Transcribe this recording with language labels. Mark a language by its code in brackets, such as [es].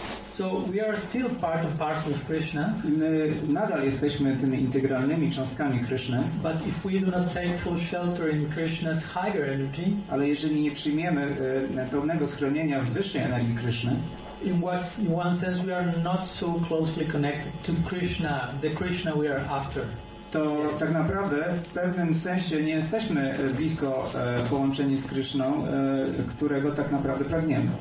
[en] So we are still part and parcel of Krishna. [pl] My nadal jesteśmy tymi integralnymi cząstkami Krishna. [en] But if we do not take full shelter in Krishna's higher energy, [pl] ale jeżeli nie przyjmiemy pełnego schronienia w wyższej energii Krishna, [en] in one sense we are not so closely connected to Krishna, the Krishna we are after. [pl] To tak naprawdę w pewnym sensie nie jesteśmy blisko połączeni z Krishną, którego tak naprawdę pragniemy.